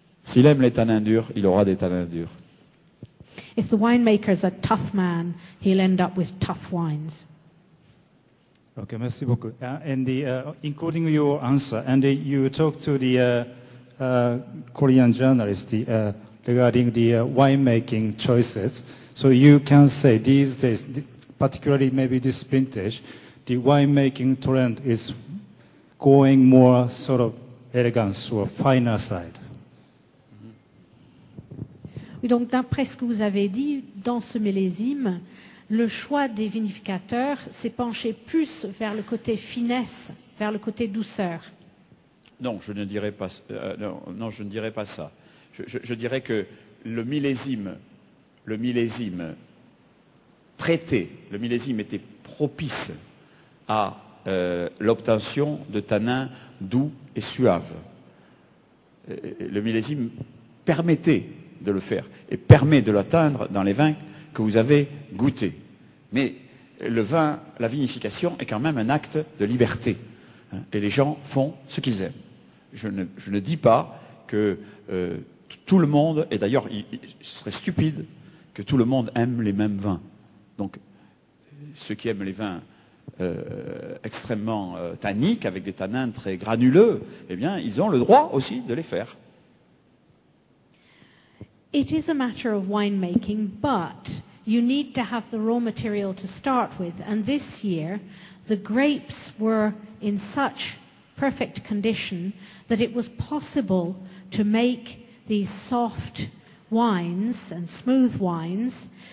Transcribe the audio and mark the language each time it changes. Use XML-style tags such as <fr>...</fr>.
<fr>S'il aime les tanins durs, il aura des tanins durs.</fr> <en>If the winemaker is a tough man, he'll end up with tough wines.</en> <fr>Okay, merci beaucoup.</fr> <en>Including your answer, and you talked to the Korean journalist regarding the winemaking choices. So you can say these days, particularly maybe this vintage, the winemaking trend is going more sort of elegance or finer side.</en> <fr>Donc, d'après ce que vous avez dit, dans ce millésime, le choix des vinificateurs s'est penché plus vers le côté finesse, vers le côté douceur. Non, je ne dirais pas, non, je ne dirais pas ça. Je dirais que le millésime était propice à l'obtention de tanins doux et suaves. Le millésime permettait de le faire et permet de l'atteindre dans les vins que vous avez goûtés. Mais le vin, la vinification est quand même un acte de liberté. Hein, et les gens font ce qu'ils aiment. Je ne dis pas que tout le monde, et d'ailleurs ce serait stupide, que tout le monde aime les mêmes vins. Donc ceux qui aiment les vins extrêmement tanniques, avec des tanins très granuleux, eh bien ils ont le droit aussi de les faire.</fr> <en>It is a matter of winemaking, but you need to have the raw material to start with. And this year, the grapes were in such perfect condition that it was possible to make these soft wines and smooth wines.</en>